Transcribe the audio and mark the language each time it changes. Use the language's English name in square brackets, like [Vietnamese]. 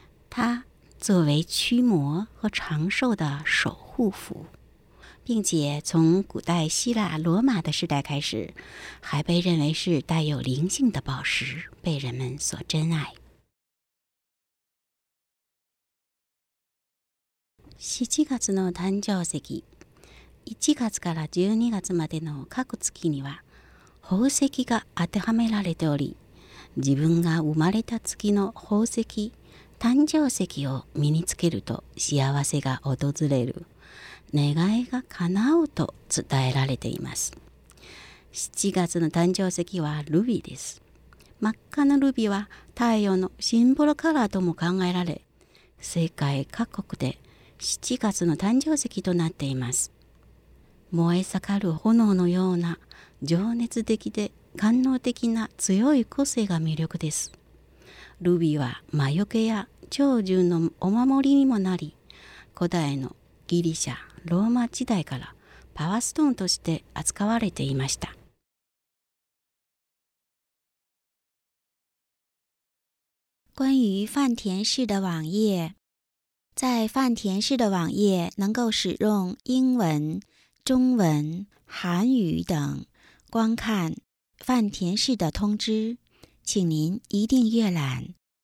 [Chinese] 它作为驱魔和长寿的守护符，并且从古代希腊罗马的时代开始，还被认为是带有灵性的宝石，被人们所珍爱。 [Japanese] 7月の誕生石、1月から12月までの各月には宝石が当てはめられており、自分が生まれた月の宝石、誕生石を身につけると幸せが訪れる、願いが叶うと伝えられています。 7月の誕生石はルビーです。真っ赤なルビーは太陽のシンボルカラーとも考えられ、世界各国で7月の誕生石となっています。燃え盛る炎のような情熱的で官能的な強い個性が魅力です。ルビーは魔除けや長寿のお守りにもなり、古代のギリシャ、ローマ時代からパワーストーンとして扱われていました。 [Chinese] 关于饭田市的网页，在饭田市的网页能够使用英文、中文、韩语等观看饭田市的通知，请您一定阅览。